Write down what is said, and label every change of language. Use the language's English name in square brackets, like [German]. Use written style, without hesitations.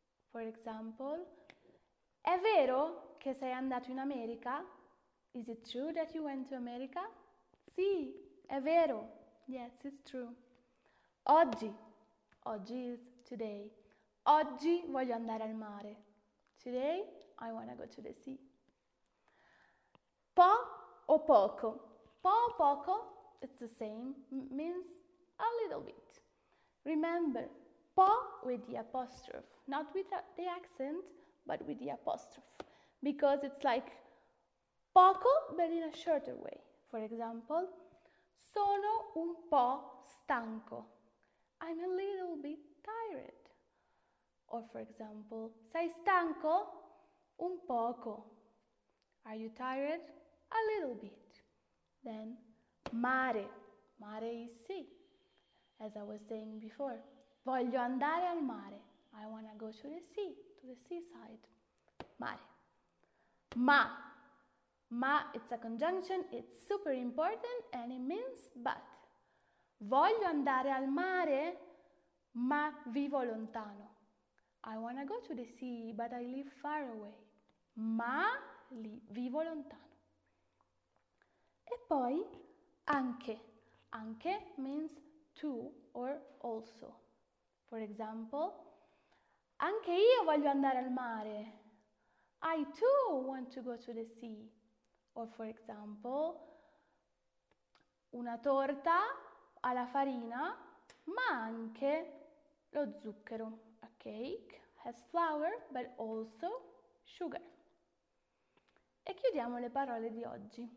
[English] For example, [Italian] è vero che sei andato in America? [English] Is it true that you went to America? [Italian] Sì, è vero. [English] Yes, it's true. [Italian] Oggi. [English] Oggi is today. [Italian] Oggi voglio andare al mare. [English] Today I want to go to the sea. [Italian] Po o poco? [English] Po o poco, it's the same, means a little bit. Remember, po with the apostrophe, not with the accent, but with the apostrophe. Because it's like poco, but in a shorter way. For example, [Italian] sono un po' stanco. [English] I'm a little bit tired. Or for example, [Italian] sei stanco? Un poco. [English] Are you tired? A little bit. Then, mare. Mare is sea. As I was saying before, [Italian] voglio andare al mare. [English] I want to go to the seaside. [Italian] Mare. Ma. [English] Ma, it's a conjunction, it's super important, and it means but. [Italian] Voglio andare al mare, ma vivo lontano. [English] I want to go to the sea, but I live far away. [Italian] Ma li vivo lontano. E poi anche. [English] Anche means to or also. For example, [Italian] anche io voglio andare al mare. [English] I too want to go to the sea. Or for example, [Italian] una torta alla farina, ma anche lo zucchero. [English] A cake has flour, but also sugar. [Italian] E chiudiamo le parole di oggi.